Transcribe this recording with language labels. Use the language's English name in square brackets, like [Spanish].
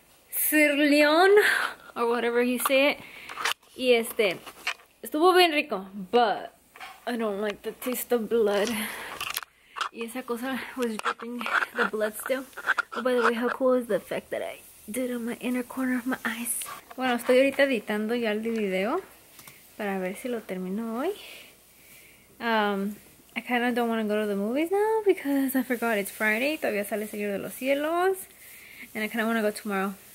[English] Sir Leon, or whatever you say it. [Spanish] Y este, estuvo bien rico, [English] but I don't like the taste of blood. [Spanish] Y esa cosa [English] was dripping the blood still. Oh, by the way, how cool is the effect that I did on my inner corner of my eyes? [Spanish] Bueno, estoy ahorita editando ya el video para ver si lo termino hoy. [English] I kind of don't want to go to the movies now because I forgot it's Friday. [Spanish] Todavía sale Señor de los Cielos. [English] And I kind of want to go tomorrow.